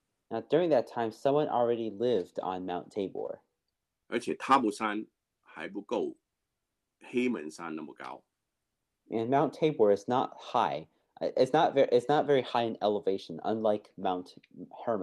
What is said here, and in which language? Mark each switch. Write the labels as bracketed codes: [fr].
[en] Now, during that time, someone already lived on Mount Tabor. [zh] 而且塔布山还不够黑门山那么高。 [en] And Mount Tabor is not high. It's not very high in elevation, unlike Mount Hermon.